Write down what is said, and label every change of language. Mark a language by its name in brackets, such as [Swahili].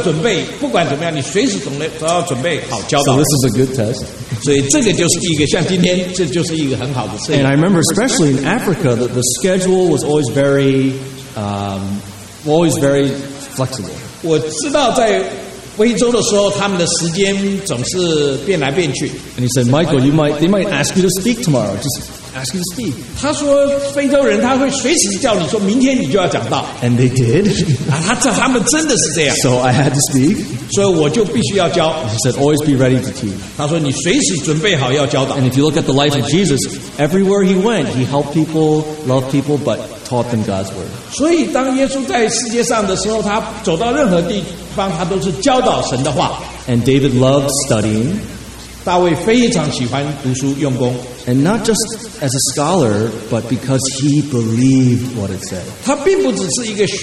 [Chinese] 他总是告诉我说你随时都要准备，不管怎么样，你随时都要准备好教导。 [English] So this is a good test. [Chinese] 所以这个就是一个，像今天，这就是一个很好的测验。 [English] And I remember especially in Africa, that the schedule was always very, flexible. [Chinese] 我知道在 非洲的时候，他们的时间总是变来变去。 [English] And he said, Michael, they might ask you to speak tomorrow. Just ask you to speak. [Chinese] 他说，非洲人他会随时叫你说，明天你就要讲到。 [English] And they did. [Chinese] 他们真的是这样。So [English] I had to speak. [Chinese] 所以我就必须要教。 [English] He said, always be ready to teach. [Chinese] 他说，你随时准备好要教导。 [English] And if you look at the life of Jesus, everywhere he went, he helped people, loved people, but taught them God's word. [Chinese] 所以当耶稣在世界上的时候，他走到任何地。 [English] And David loved studying. [Chinese] 大卫非常喜欢读书用功。 [English] And not just as a scholar, but because he believed what it said.